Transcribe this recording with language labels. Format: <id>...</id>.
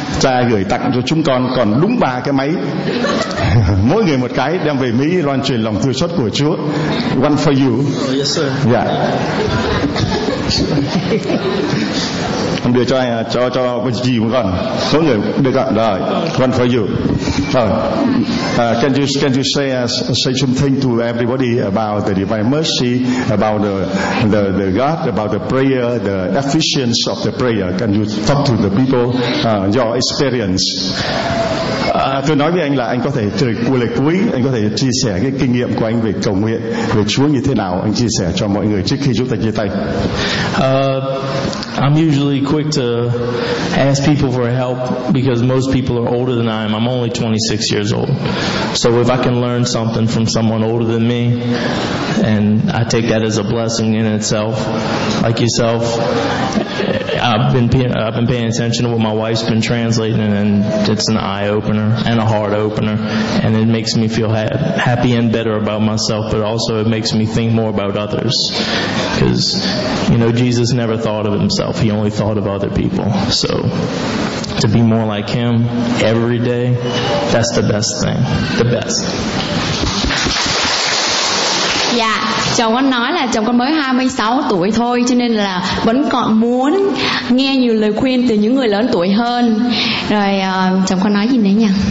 <vi>Cha gửi tặng cho chúng con còn đúng ba cái máy, mỗi người một cái, đem về Mỹ loan truyền lòng thương xót của Chúa.</vi> <en>One for you. Oh, yes sir.</en> <vi>Yeah. Ông đưa cho anh, cho gì một con, số người được ạ.</vi> <en>Rồi, one for you. Rồi. Can you say something to everybody about the divine mercy, about the God, about the prayer, the efficiency of the prayer? Can you talk to the people your experience?</en> <vi>Tôi nói với anh là anh có thể từ lời cuối, anh có thể chia sẻ cái kinh nghiệm của anh về cầu nguyện về Chúa như thế nào, anh chia sẻ cho mọi người trước khi chúng ta chia tay.</vi> <en>I'm usually quick to ask people for help because most people are older than I am. I'm only 26 years old. So if I can learn something from someone older than me, and I take that as a blessing in itself, like yourself, I've been paying attention to what my wife's been translating, and it's an eye opener and a heart opener, and it makes me feel happy and better about myself, but also it makes me think more about others, because you know Jesus never thought of himself, he only thought of other people. So to be more like him every day, that's the best thing, the best.</en> <vi>Dạ, chồng con nói là chồng con mới 26 tuổi thôi, cho nên là vẫn còn muốn nghe nhiều lời khuyên từ những người lớn tuổi hơn. Rồi chồng con nói gì nữa nhỉ?</vi>